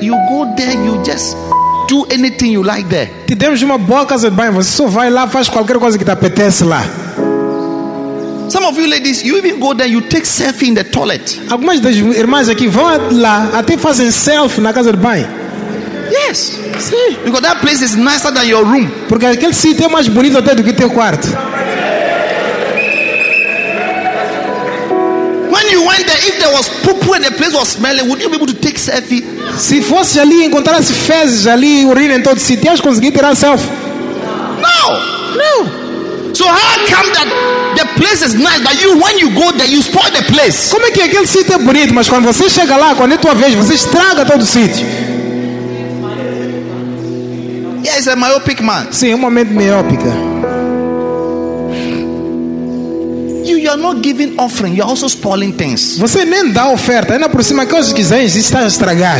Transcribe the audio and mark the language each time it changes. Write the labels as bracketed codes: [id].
[en] You go there, you just do anything you like there. [pt] Te demos uma boa casa de banho. Você só vai lá, faz qualquer coisa que te apetece lá. [en] Some of you ladies, you even go there, you take selfie in the toilet. [pt] Algumas das irmãs aqui vão lá, até fazem selfie na casa de banho. [en] Yes. See. Because that place is nicer than your room. [pt] Porque aquele sítio é mais bonito até do que teu quarto. [en] When you went there, if there was poo-poo and the place was smelly, would you be able to take selfie? [pt] Se fosse ali, encontrasse fezes ali, urina em todo o sítio, ias conseguir tirar selfie? [en] No. No. So how come that the place is nice, but you, when you go there, you spoil the place? [pt] Como é que aquele sítio é bonito, mas quando você chega lá, quando é tua vez, você estraga todo o sítio? [en] Yeah, it's a myopic man. [pt] Sim, uma mente miópica. [en] You are not giving offering, you are also spoiling things. [pt] Você nem dá oferta, ainda por cima, coisas que você está a estragar.